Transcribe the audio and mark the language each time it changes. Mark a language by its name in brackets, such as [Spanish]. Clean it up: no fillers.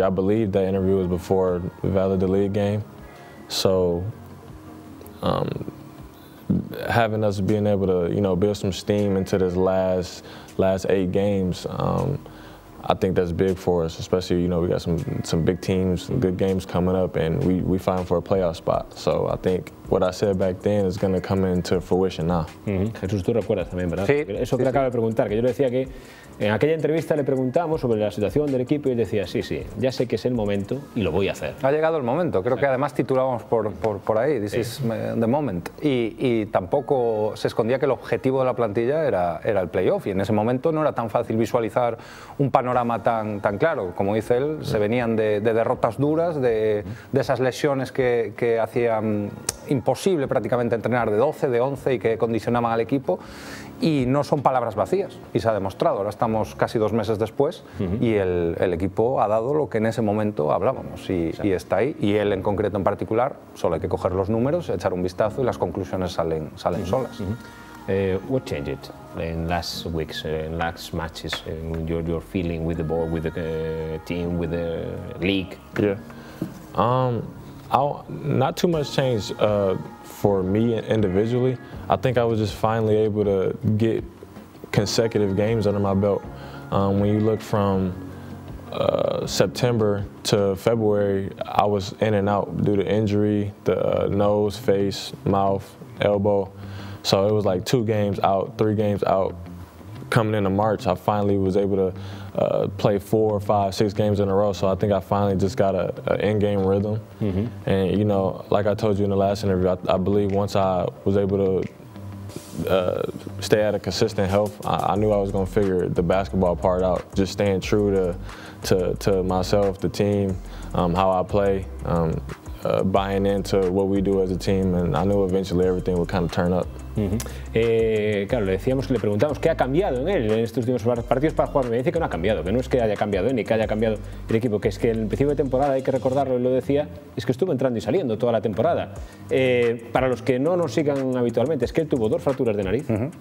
[English] I believe that interview was before the Valladolid game. So having us being able to, you know, build some steam into this last 8 games, I think that's big for us, especially, you know, we got some big teams, some good games coming up, and we fighting for a playoff spot. So I think what I said back then is going to come into fruition now. [Spanish] Jesús, tú recuerdas también, ¿verdad? Sí. Eso que le acabo de preguntar, que yo le decía que En aquella entrevista le preguntamos sobre la situación del equipo y él decía, sí, sí, ya sé que es el momento y lo voy a hacer. Ha llegado el momento, creo que además titulábamos por ahí, [English] this is the moment. [Spanish] Y tampoco se escondía que el objetivo de la plantilla era el playoff, y en ese momento no era tan fácil visualizar un panorama tan claro. Como dice él, se venían de derrotas duras, de esas lesiones que hacían imposible prácticamente entrenar de 12, de 11 y que condicionaban al equipo. Y no son palabras vacías, y se ha demostrado. Ahora estamos casi 2 meses después y el equipo ha dado lo que en ese momento hablábamos y está ahí. Y él en concreto, en particular, solo hay que coger los números, echar un vistazo y las conclusiones salen solas. [English] What changed in last weeks, in last matches, in your feeling with the ball, with the team, with the league? Not too much change for me individually. I think I was just finally able to get consecutive games under my belt. When you look from September to February, I was in and out due to injury, the nose, face, mouth, elbow. So it was like 2 games out, 3 games out. Coming into March, I finally was able to play 4, 5, 6 games in a row. So I think I finally just got an in-game rhythm. Mm-hmm. And, you know, like I told you in the last interview, I believe once I was able to stay at a consistent health, I knew I was going to figure the basketball part out, just staying true to myself, the team, how I play, buying into what we do as a team. And I knew eventually everything would kind of turn up. Uh-huh. [Spanish] Claro, le preguntamos qué ha cambiado en él en estos últimos partidos para jugar. Me dice que no ha cambiado, que no es que haya cambiado ni que haya cambiado el equipo, que es que en el principio de temporada, hay que recordarlo, él lo decía, es que estuvo entrando y saliendo toda la temporada. Para los que no nos sigan habitualmente, es que él tuvo 2 fracturas de nariz, uh-huh.